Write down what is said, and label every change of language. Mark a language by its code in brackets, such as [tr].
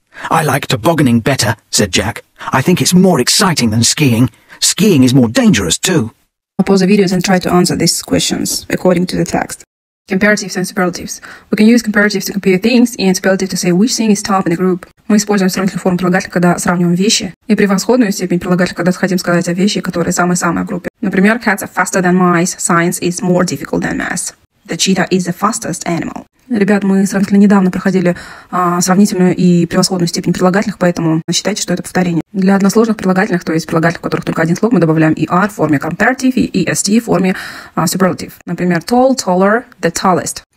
[en] I like tobogganing better, said Jack. I think it's more exciting than skiing. Skiing is more dangerous, too. I'll pause the videos and try to answer these questions according to the text. Comparatives and superlatives. We can use comparatives to compare things and superlatives to say which thing is top in the group. [ru] Мы используем сравнительную форму прилагателя, когда сравниваем вещи, и превосходную степень прилагателя, когда хотим сказать о вещи, которые самые-самые в группе. Например, [en] cats are faster than mice, science is more difficult than math. The cheetah is the fastest animal. [ru] Ребят, мы сравнительно недавно проходили сравнительную и превосходную степень прилагательных, поэтому считайте, что это повторение. Для односложных прилагательных, то есть прилагательных, у которых только один слог, мы добавляем ER в форме comparative и EST в форме superlative. Например, [en] tall, taller, the tallest.